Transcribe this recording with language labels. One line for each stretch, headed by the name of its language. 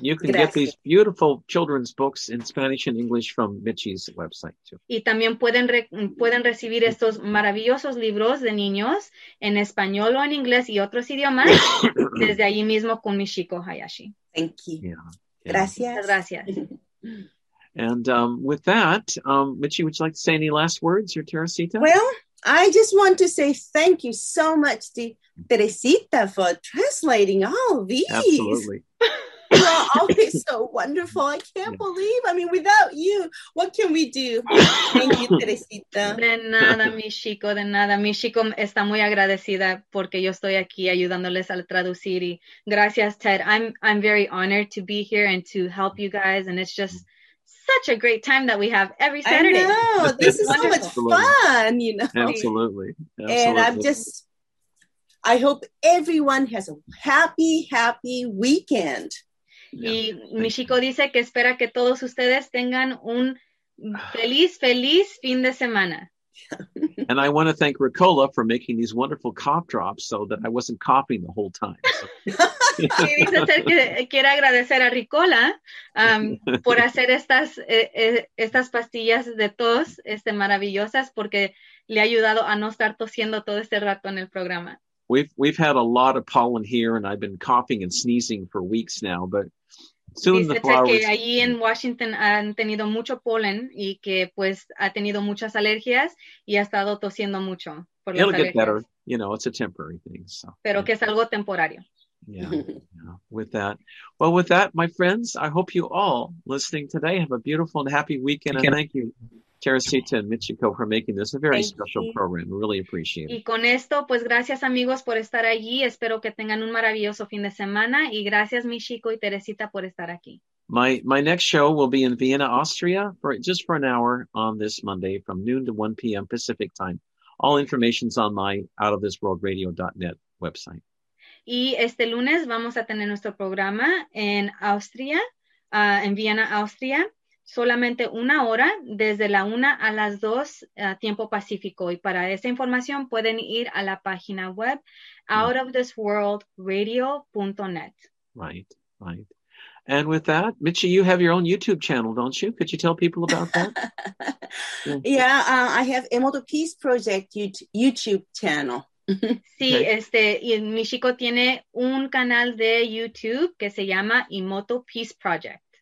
English: You can get these beautiful children's books in Spanish and English from Michi's website too.
Spanish: Y también pueden recibir estos maravillosos libros de niños en español o en inglés y otros idiomas desde allí mismo con Michiko Hayashi.
English: Thank you. Yeah.
Spanish: Gracias. Gracias.
English: And with that, Michi, would you like to say any last words, your Teresita? Well, I just want to say thank you so much to Teresita for translating all these. Absolutely. Oh, it's so wonderful. I can't believe. I mean, without you, what can we do? Thank you, Teresita.
Spanish: De nada, Michiko, de nada. Michiko está muy agradecida porque yo estoy aquí ayudándoles al traducir. Y gracias, Ted.
English: I'm very honored to be here and to help you guys. And it's just such a great time that we have every Saturday. I know. This is so much fun, you know. Absolutely. And I hope everyone has a happy, happy weekend.
Spanish: Yeah. Y Michiko dice que espera que todos ustedes tengan un feliz, feliz fin de semana.
English: And I want to thank Ricola for making these wonderful cough drops so that I wasn't coughing the whole time.
Spanish: Y dice ser que quiere agradecer a Ricola por hacer estas pastillas de tos maravillosas porque le ha ayudado a no estar tosiendo todo este rato en el programa.
English: We've had a lot of pollen here and I've been coughing and sneezing for weeks now, but soon the flowers.
Spanish: Dice que allí en Washington han tenido mucho polen y que pues ha tenido muchas alergias y ha estado tosiendo mucho por las alergias.
English: It'll get better, you know, it's a temporary thing. So.
Spanish: Pero que es algo temporario.
English: Yeah. With that, my friends, I hope you all listening today have a beautiful and happy weekend. And thank you, Teresita and Michiko, for making this a very special program. Really appreciate it.
Spanish: Y con esto, pues gracias amigos por estar allí. Espero que tengan un maravilloso fin de semana. Y gracias, Michiko y Teresita, por estar aquí.
English: My next show will be in Vienna, Austria, for an hour on this Monday from noon to 1 p.m. Pacific time. All information is on my outofthisworldradio.net website.
Spanish: Y este lunes vamos a tener nuestro programa en Austria, en Vienna, Austria. Solamente una hora, desde la 1 a las 2, tiempo pacífico. Y para esa información pueden ir a la página web, outofthisworldradio.net.
English: Right, right. And with that, Michi, you have your own YouTube channel, don't you? Could you tell people about that? Yeah, I have Emerald Peace Project YouTube channel.
Spanish: Sí, okay. Y Michiko tiene un canal de YouTube que se llama Emoto Peace Project.